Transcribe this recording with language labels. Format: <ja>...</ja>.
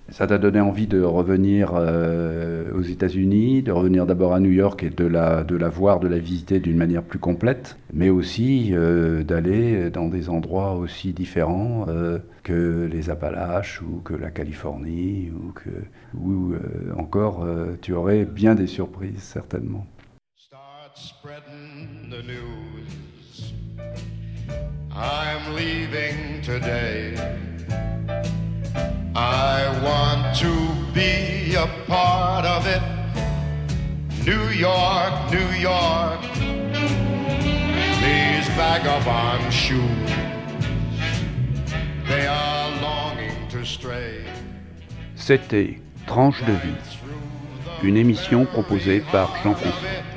<fr>Ça t'a donné envie de revenir aux États-Unis, de revenir d'abord à New York et de la voir, de la visiter d'une manière plus complète, mais aussi d'aller dans des endroits aussi différents que les Appalaches ou que la Californie ou encore tu aurais bien des surprises certainement.</fr> <en>Start spreading the news. I'm leaving today. I want to be a part of it. New York, New York. These vagabond shoes, they are longing to stray.</en> <fr>C'était Tranche de Vie, une émission proposée par Jean-François.</fr>